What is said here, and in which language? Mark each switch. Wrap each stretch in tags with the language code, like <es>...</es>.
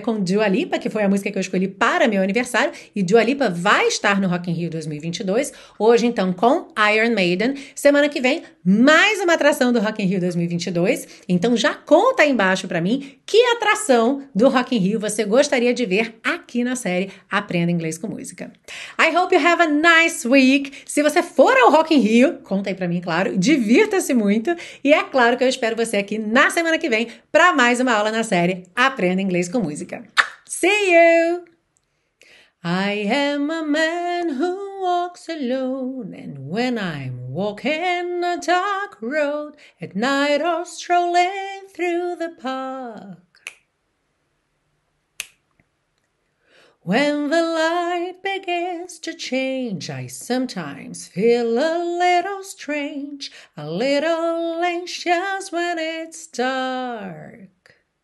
<pt>Com Dua Lipa, que foi a música que eu escolhi para meu aniversário. E Dua Lipa vai estar no Rock in Rio 2022. Hoje, então, com Iron Maiden. Semana que vem, mais uma atração do Rock in Rio 2022. Então, já conta aí embaixo para mim que atração do Rock in Rio você gostaria de ver aqui na série Aprenda Inglês com Música.</pt> <en>I hope you have a nice week.</en> <pt>Se você for ao Rock in Rio, conta aí pra mim, claro, divirta-se muito, e é claro que eu espero você aqui na semana que vem para mais uma aula na série Aprenda Inglês com Música.</pt> <en>See you! I am a man who walks alone, and when I'm walking a dark road, at night or strolling through the park, when the light begins to change, I sometimes feel a little strange, a little anxious when it's dark.</en>